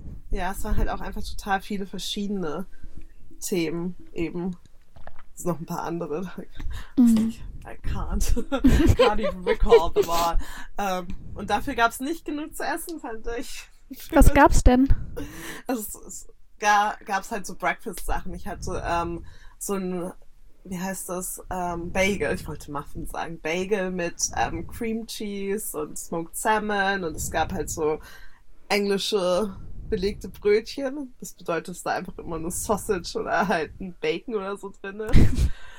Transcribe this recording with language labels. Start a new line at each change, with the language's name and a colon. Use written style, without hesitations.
German: Ja, es waren halt auch einfach total viele verschiedene Themen, eben. Es ist noch ein paar andere.
English: I can't even recall them all.
German: Und dafür gab es nicht genug zu essen, fand ich. Was gab's denn? Also es gab's halt so Breakfast-Sachen. Ich hatte so ein, wie heißt das, Bagel, ich wollte Muffin sagen, Bagel mit Cream Cheese und Smoked Salmon und es gab halt so englische belegte Brötchen, das bedeutet, dass da einfach immer nur Sausage oder halt ein Bacon oder so drin ist.